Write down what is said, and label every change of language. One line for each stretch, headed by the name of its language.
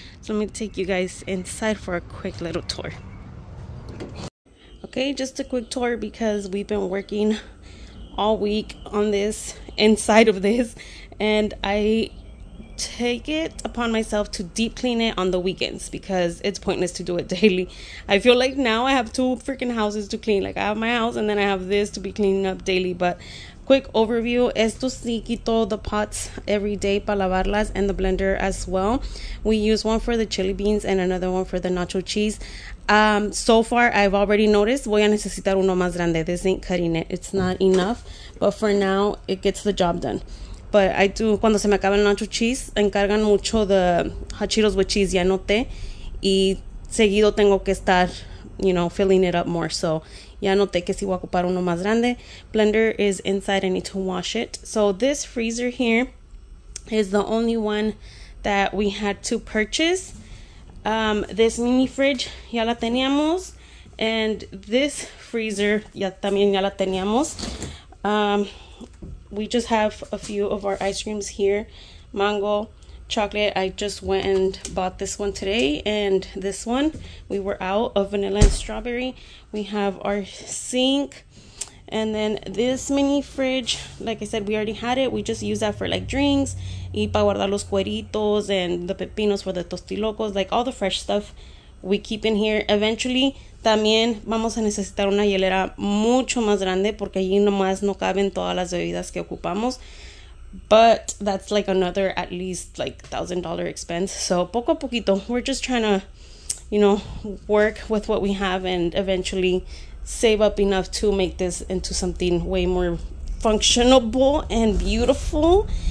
English: So let me take you guys inside for a quick little tour. Okay, just a quick tour because we've been working all week on this, inside of this, and I take it upon myself to deep clean it on the weekends because it's pointless to do it daily. I feel like now I have two freaking houses to clean. Like, I have my house and then I have this to be cleaning up daily. But quick overview,
Spanish: esto sí quito
English: the pots every day
Spanish: para lavarlas,
English: and the blender as well. We use one for the chili beans and another one for the nacho cheese. So far, I've already noticed
Spanish: voy a necesitar uno más grande.
English: This ain't cutting it. It's not enough, but for now, it gets the job done. But I do,
Spanish: cuando se me acaba el
English: nacho cheese,
Spanish: encargan mucho
English: the hot Cheetos with cheese,
Spanish: ya noté, y seguido tengo que estar,
English: you know, filling it up more. So
Spanish: Ya noté que si voy a ocupar uno más grande.
English: Blender is inside. I need to wash it. So this freezer here is the only one that we had to purchase. This mini fridge
Spanish: ya la teníamos.
English: And this freezer
Spanish: ya también ya la teníamos.
English: We just have a few of our ice creams here. Mango, chocolate. I just went and bought this one today. And this one, we were out of vanilla and strawberry. We have our sink. And then this mini fridge, like I said, we already had it. We just use that for like drinks.
Spanish: Y para guardar los cueritos
English: and the pepinos for the tostilocos. Like all the fresh stuff we keep in here.
Spanish: Eventually, también vamos a necesitar una hielera mucho más grande porque allí nomás no caben todas las bebidas que ocupamos.
English: But that's like another at least like $1,000 expense. So
Spanish: poco a poquito,
English: we're just trying to, you know, work with what we have and eventually save up enough to make this into something way more functional and beautiful.